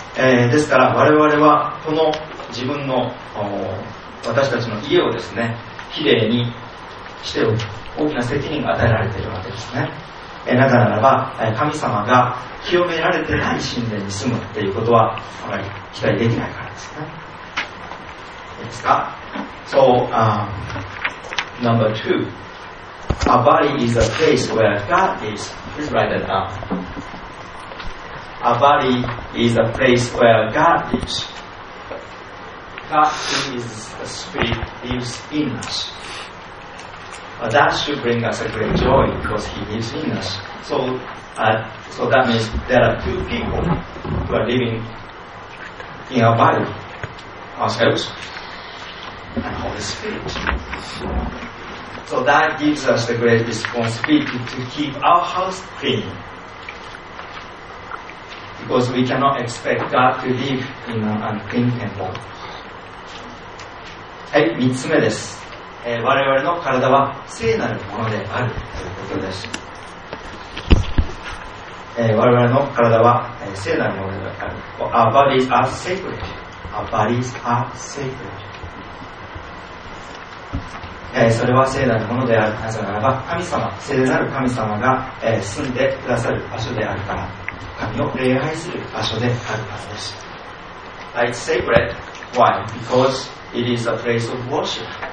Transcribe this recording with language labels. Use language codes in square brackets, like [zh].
[ja] ですから我々はこの自分の私たちの家をですね、きれいにしておく大きな責任が与えられているわけですね。なぜならば、神様が清められてない神殿に住むということはあまり期待できないからですね。いいですか。 [en] So, number two, our body is a place where God is. Please write that down. Our body is a place where God is. God, who is the Spirit, lives in us. But that should bring us a great joy because He lives in us. So that means there are two people who are living in our body, ourselves, and Holy Spirit. So that gives us the great responsibility to keep our house clean. Because we cannot expect God to live in an unclean temple. [ja] はい、3つ目です。我々の体は聖なるものであるということです。我々の体は聖なるものである。 [en] Our bodies are sacred. Our bodies are sacred. [ja] それは聖なるものである。なぜならば神様、聖なる神様が住んでくださる場所であるから、神を礼拝する場所であるからです。 [en] It's sacred. Why? Because it is a place of worship.